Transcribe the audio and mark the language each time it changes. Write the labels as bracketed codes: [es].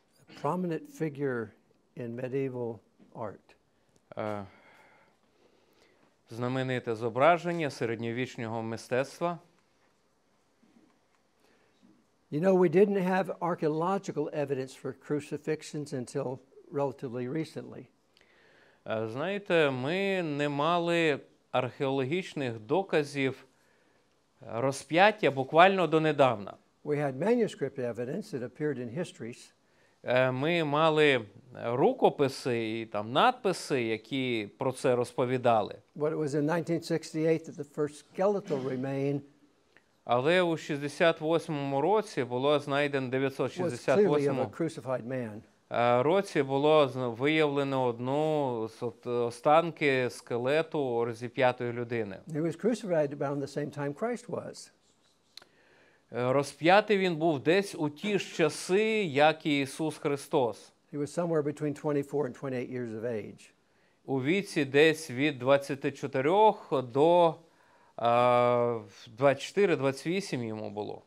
[en] A prominent figure in medieval art. [uk] Знамените зображення середньовічного мистецтва. [en] You know, we didn't have archaeological evidence for crucifixions until relatively recently. [uk] Знаєте, ми не мали археологічних доказів розп'яття буквально донедавна. [en] We had manuscript evidence that appeared in histories. [uk] Ми мали рукописи і там надписи, які про це розповідали. [en] But it was in 1968 that the first skeletal remain. [uk] Але у 68-му році було знайдено 968-му році було виявлено одну з останки скелету розіп'ятої людини. [en] He was crucified about the same time Christ was. [uk] Розп'ятий він був десь у ті ж часи, як і Ісус Христос. [en] He was somewhere between 24 and 28 years of age. [uk] У віці десь від 24 до 24-28 йому було.